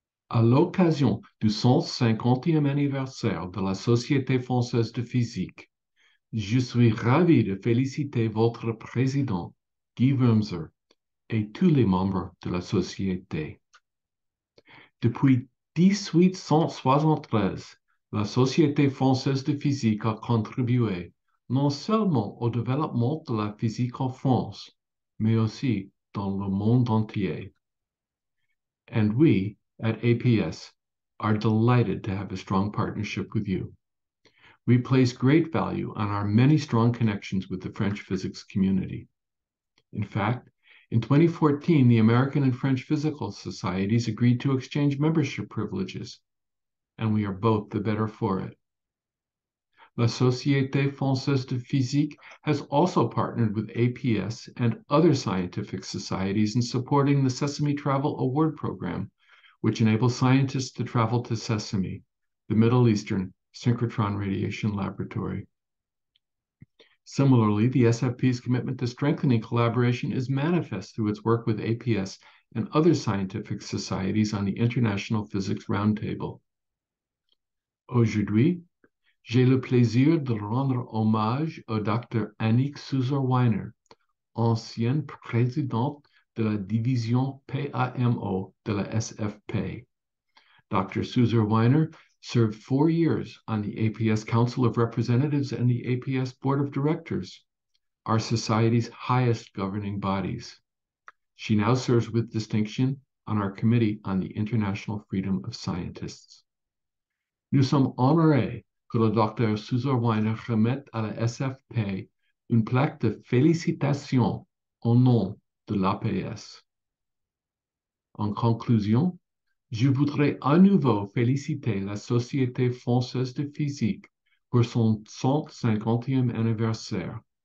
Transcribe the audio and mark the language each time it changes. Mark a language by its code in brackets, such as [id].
[fr] À l'occasion du 150e anniversaire de la Société Française de Physique, je suis ravi de féliciter votre président, Guy Wurmser, et tous les membres de la Société. Depuis 1873, la Société Française de Physique a contribué non seulement au développement de la physique en France, mais aussi dans le monde entier. [en] And we at APS are delighted to have a strong partnership with you. We place great value on our many strong connections with the French physics community. In fact, in 2014, the American and French Physical Societies agreed to exchange membership privileges, and we are both the better for it. La Société Française de Physique has also partnered with APS and other scientific societies in supporting the Sesame Travel Award Program, which enables scientists to travel to Sesame, the Middle Eastern Synchrotron Radiation Laboratory. Similarly, the SFP's commitment to strengthening collaboration is manifest through its work with APS and other scientific societies on the International Physics Roundtable. [fr] Aujourd'hui, j'ai le plaisir de rendre hommage au Dr. Annick Suzor-Weiner, ancienne présidente de la division PAMO de la SFP. [en] Dr. Suzor-Weiner served 4 years on the APS Council of Representatives and the APS Board of Directors, our society's highest governing bodies. She now serves with distinction on our Committee on the International Freedom of Scientists. [fr] Nous sommes honorés que le Dr. Suzor-Weiner remette à la SFP une plaque de félicitations au nom de l'APS. En conclusion, je voudrais à nouveau féliciter la Société Française de Physique pour son 150e anniversaire.